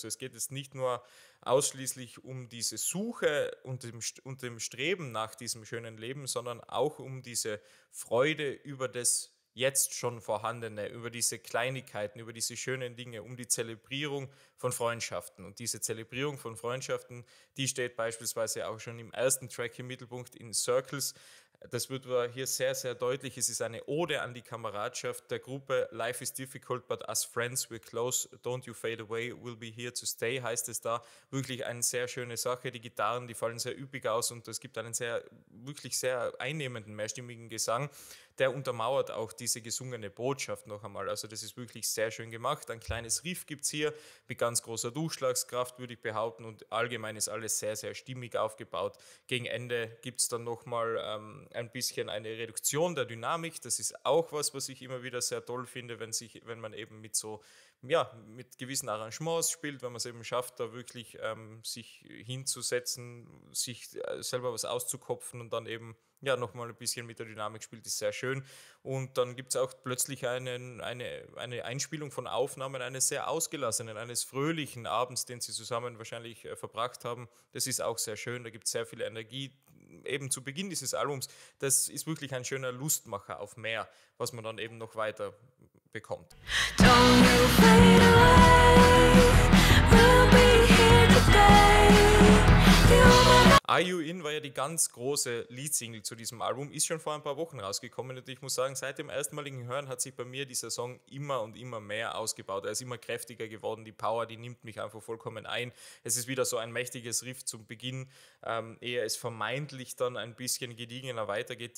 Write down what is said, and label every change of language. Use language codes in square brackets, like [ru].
[de] Also es geht jetzt nicht nur ausschließlich um diese Suche und dem Streben nach diesem schönen Leben, sondern auch um diese Freude über das jetzt schon Vorhandene, über diese Kleinigkeiten, über diese schönen Dinge, um die Zelebrierung von Freundschaften. Und diese Zelebrierung von Freundschaften, die steht beispielsweise auch schon im ersten Track im Mittelpunkt in Circles. Das wird hier sehr, sehr deutlich. Es ist eine Ode an die Kameradschaft der Gruppe. [en] Life is difficult, but as friends we're close. Don't you fade away, we'll be here to stay, [de] heißt es da. Wirklich eine sehr schöne Sache. Die Gitarren, die fallen sehr üppig aus und es gibt einen sehr, wirklich sehr einnehmenden, mehrstimmigen Gesang. Der untermauert auch diese gesungene Botschaft noch einmal. Also das ist wirklich sehr schön gemacht. Ein kleines Riff gibt es hier mit ganz großer Durchschlagskraft, würde ich behaupten. Und allgemein ist alles sehr, sehr stimmig aufgebaut. Gegen Ende gibt es dann noch mal ein bisschen eine Reduktion der Dynamik. Das ist auch was ich immer wieder sehr toll finde, wenn man eben mit so, ja, mit gewissen Arrangements spielt, wenn man es eben schafft, da wirklich sich hinzusetzen, sich selber was auszukopfen und dann eben, ja, nochmal ein bisschen mit der Dynamik spielt, ist sehr schön. Und dann gibt es auch plötzlich eine Einspielung von Aufnahmen eines sehr ausgelassenen, eines fröhlichen Abends, den sie zusammen wahrscheinlich verbracht haben. Das ist auch sehr schön, da gibt es sehr viel Energie. Eben zu Beginn dieses Albums, das ist wirklich ein schöner Lustmacher auf mehr, was man dann eben noch weiter bekommt. [en] Don't you fade away, we'll be here today. [de] Are You In war ja die ganz große Lead-Single zu diesem Album, ist schon vor ein paar Wochen rausgekommen und ich muss sagen, seit dem erstmaligen Hören hat sich bei mir dieser Song immer und immer mehr ausgebaut. Er ist immer kräftiger geworden, die Power, die nimmt mich einfach vollkommen ein. Es ist wieder so ein mächtiges Riff zum Beginn, ehe es vermeintlich dann ein bisschen gediegener weitergeht.